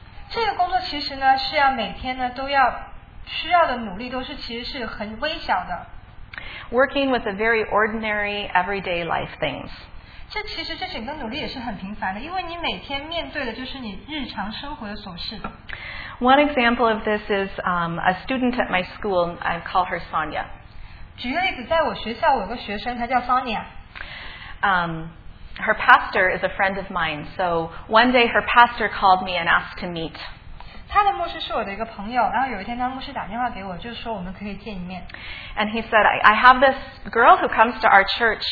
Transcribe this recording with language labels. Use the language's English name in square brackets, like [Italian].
[Chinese] 这个工作其实呢，是要每天呢都要需要的努力都是其实是很微小的。 [English] Working with the very ordinary everyday life things. [Chinese] 这其实这整个努力也是很平凡的，因为你每天面对的就是你日常生活的琐事。 [English] One example of this is a student at my school. I call her Sonia. [Chinese] 举个例子，在我学校，我有个学生，她叫Sonia。 [English] Her pastor is a friend of mine, so one day her pastor called me and asked to meet. [Chinese] 他的牧师是我的一个朋友，然后有一天他牧师打电话给我，就说我们可以见一面。 [English] And he said, I have this girl who comes to our church.